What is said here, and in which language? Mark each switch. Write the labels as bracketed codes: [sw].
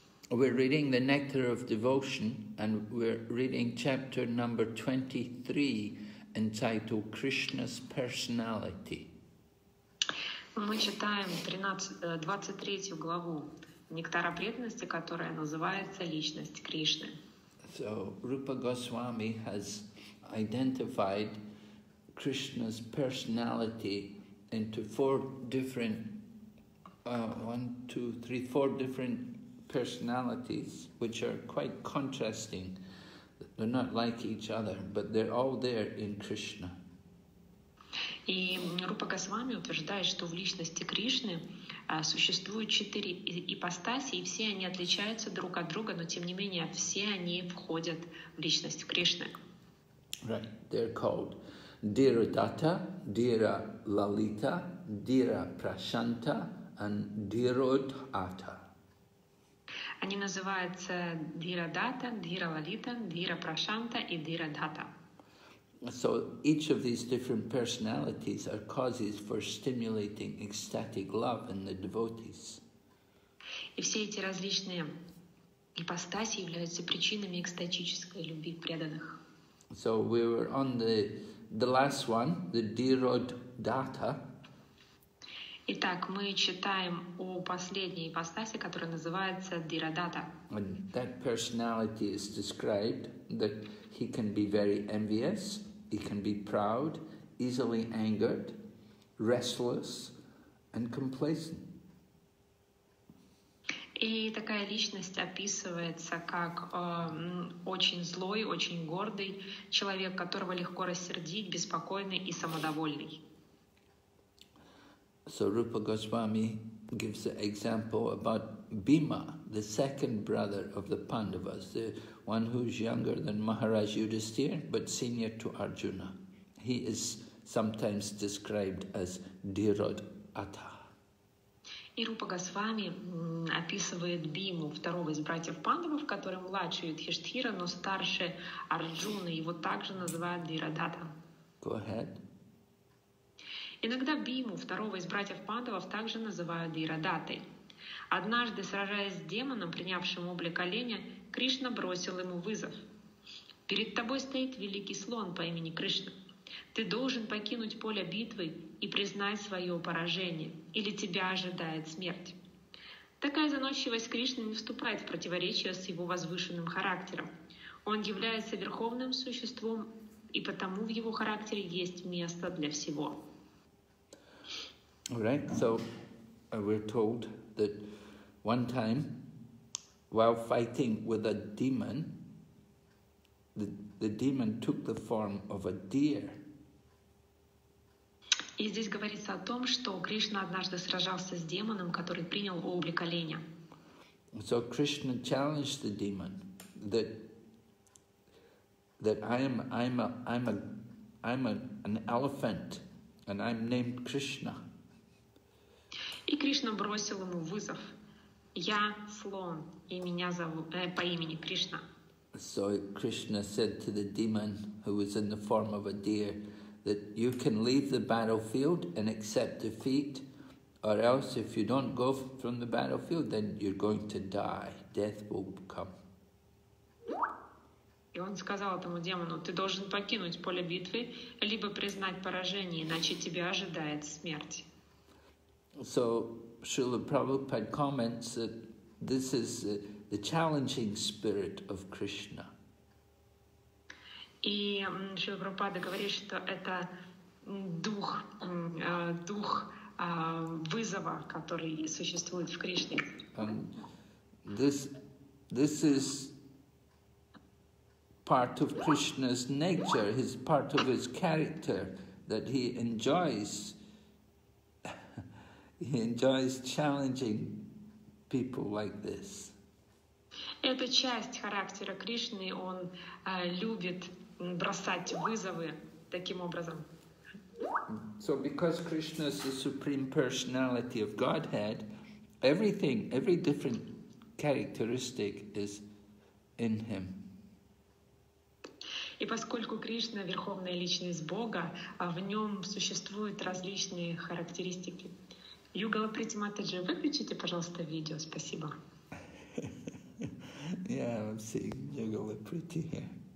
[en] We're reading the Nectar of Devotion, and we're reading chapter number 23, entitled Krishna's Personality. [ru] Мы читаем 23 главу Нектара преданности, которая называется Личность Кришны. [en] So Rupa Goswami has identified Krishna's personality into four different personalities, which are quite contrasting. They're not like each other, but they're all there in Krishna. [ru] И Рупа Госвами утверждает, что в личности Кришны существует четыре ипостаси, и все они отличаются друг от друга, но тем не менее все они входят в личность Кришны. [en] Right, they're called Dhiradatta, Dhira Lalita, Dhira Prashanta and Dhirodhata. [ru] Они называются Dhiradatta, Dhira Lalita, Dhira Prashanta и Dhirodhata. [en] So each of these different personalities are causes for stimulating ecstatic love in the devotees. [ru] И все эти различные ипостаси являются причинами экстатической любви преданных. [en] So we were on the last one, the Dhirodhata. [ru] Итак, мы читаем о последней ипостаси, которая называется Dhiradatta. [en] And that personality is described that he can be very envious. He can be proud, easily angered, restless, and complacent. [ru] И такая личность описывается как очень злой, очень гордый человек, которого легко рассердить, беспокойный и самодовольный. [en] So Rupa Goswami gives the example about Bhima, the second brother of the Pandavas, the one who's younger than Maharaj Yudhisthira, but senior to Arjuna. He is sometimes described as Dhiradatta. [ru] И Рупа Госвами описывает Биму, второго из братьев Пандавов, который младше Юдхиштхира, но старше Арджуны. Его также называют Dhiradatta. [en] Go ahead. [ru] Иногда Биму, второго из братьев Пандавов, также называют Dhiradattai. Однажды, сражаясь с демоном, принявшим облик оленя, Кришна бросил ему вызов. «Перед тобой стоит великий слон по имени Кришна. Ты должен покинуть поле битвы и признать свое поражение, или тебя ожидает смерть». Такая заносчивость Кришны не вступает в противоречие с его возвышенным характером. Он является верховным существом, и потому в его характере есть место для всего. [en] All right, so we're told that one time, while fighting with a demon, the demon took the form of a deer. [ru] И здесь говорится о том, что Кришна однажды сражался с демоном, который принял облик оленя. [en] So Krishna challenged the demon that I'm an elephant and I'm named Krishna. [ru] И Кришна бросил ему вызов. Я слон, и меня зовут по имени Кришна. [en] So Krishna said to the demon, who was in the form of a deer, that you can leave the battlefield and accept defeat, or else if you don't go from the battlefield, then you're going to die. Death will come. [ru] И он сказал этому демону: ты должен покинуть поле битвы, либо признать поражение, иначе тебя ожидает смерть. [en] So Srila Prabhupada comments that this is the challenging spirit of Krishna. [ru] И Шрила Прабхупада говорит, что это дух вызова, который существует в Кришне. [en] This is part of Krishna's nature, his part of his character, that he enjoys challenging people like this. [ru] Это часть характера Кришны, он любит бросать вызовы таким образом. [en] So because Krishna is the Supreme Personality of Godhead, everything, every different characteristic is in him. [ru] И поскольку Кришна — Верховная Личность Бога, в нем существуют различные характеристики. Югала Притиматаджи, выключите, пожалуйста, видео. Спасибо. [en] Yeah, I'm seeing Югала Прити here.